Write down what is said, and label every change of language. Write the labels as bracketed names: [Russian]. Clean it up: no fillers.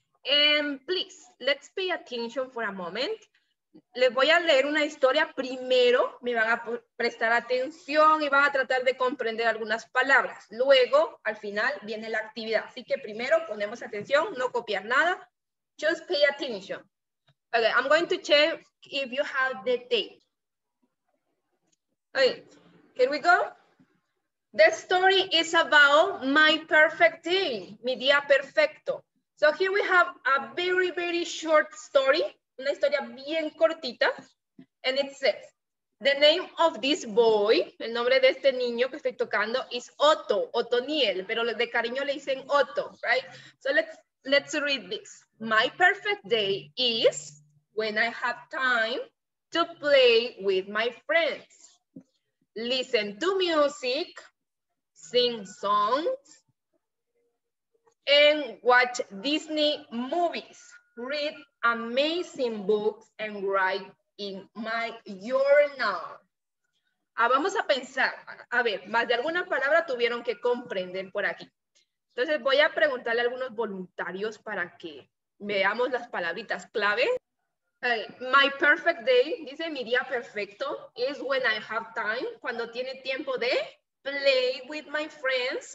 [English] And please, let's pay attention for a moment. [Spanish] Les voy a leer una historia primero, me van a prestar atención y van a tratar de comprender algunas palabras. Luego, al final, viene la actividad. Así que primero ponemos atención, no copiar nada. [English] Just pay attention. Okay, I'm going to check if you have the date. Okay, here we go. The story is about my perfect day, [Spanish] mi día perfecto. [English] So here we have a very, very short story. [Spanish] Una historia bien cortita, [English] and it says, the name of this boy, [Spanish] el nombre de este niño que estoy tocando, [English] is Otto, Otoniel, [Spanish] pero de cariño le dicen Otto, [English] right? So let's read this. My perfect day is when I have time to play with my friends, listen to music, sing songs, and watch Disney movies. Read amazing books and write in my journal. [Spanish] Ah, vamos a pensar, a ver, más de alguna palabra tuvieron que comprender por aquí. Entonces voy a preguntarle a algunos voluntarios para que veamos las palabritas clave. [English] My perfect day, [Spanish] dice mi día perfecto, [English] is when I have time, [Spanish] cuando tiene tiempo de [English] play with my friends.